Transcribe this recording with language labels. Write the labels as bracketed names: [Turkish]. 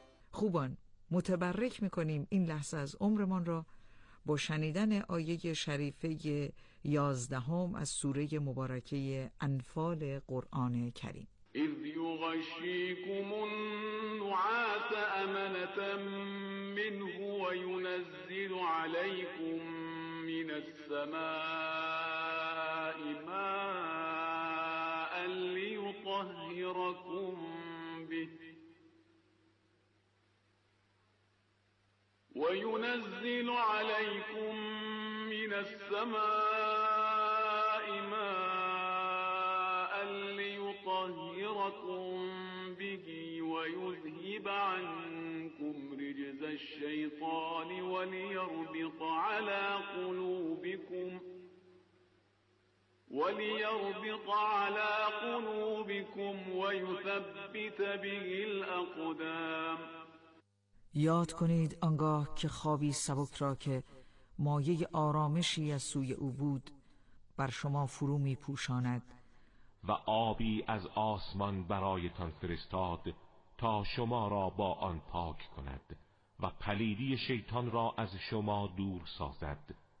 [Persian] خوبان، متبرک میکنیم این لحظه از عمرمان را با شنیدن آیه شریفه 11 از سوره مبارکه انفال قرآن کریم. [Arabic] اذ یغشیکم النعاس امنة منه و ینزل علیکم من السماء ماء لیطهرکم به وينزل عليكم من السماء ماء ليطهركم به ويذهب عنكم رجز الشيطان وليربط على قلوبكم قلوبكم وليربط على قلوبكم ويثبت به الأقدام. [Persian] یاد کنید آنگاه که خوابی سبک را که مایه آرامشی از سوی او بود بر شما فرو می پوشاند و آبی از آسمان برایتان فرستاد تا شما را با آن پاک کند و پلیدی شیطان را از شما دور سازد